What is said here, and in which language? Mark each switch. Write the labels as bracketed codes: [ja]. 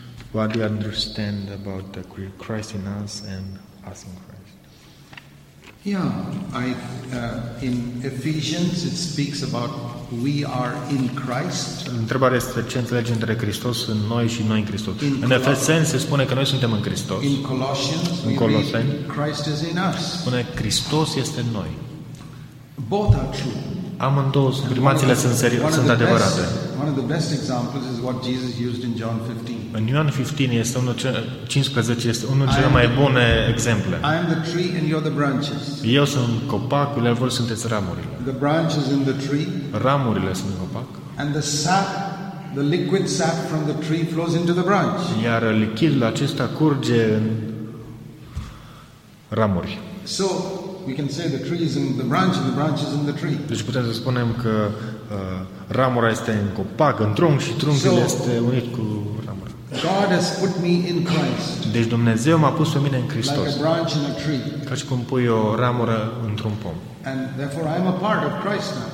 [en] What do you understand about the Christ in us and us in Christ? Yeah, in Ephesians it speaks about we are in Christ. [ro] Întrebarea este ce înțelege între Hristos în noi și noi în Hristos. În Efeseni se spune că noi suntem în Hristos. [en] In Colossians, [ro] în Coloseni, [en] Christ is in us. [ro] Spune Hristos este în noi. [en] Both are true. [ro] Amândouă sublimațiile sunt serioase, sunt adevărate. [en] One of the best examples is what Jesus used in John 15. [ro] În Ioan 15 este unul unul dintre cele mai bune exemple. [en] I am the tree and you are the branches. [ro] Eu sunt copacul, iar voi sunteți ramurile. [en] The branches in the tree. [ro] Ramurile sunt în copac. [en] And the sap, the liquid sap from the tree flows into the branch. [ro] Iar lichidul acesta curge în ramuri. [en] So we can say the tree is in the branch and the branch is in the tree. [ro] Deci putem să spunem că ramura este în copac, în trunc și trunchiul este unit cu ramura. [en] God has put me in Christ. [ro] Deci Dumnezeu m-a pus pe mine în Hristos. [en] Like a branch in a tree. [ro] Ca și cum pui o ramură într-un pom. [en] And therefore I am a part of Christ now.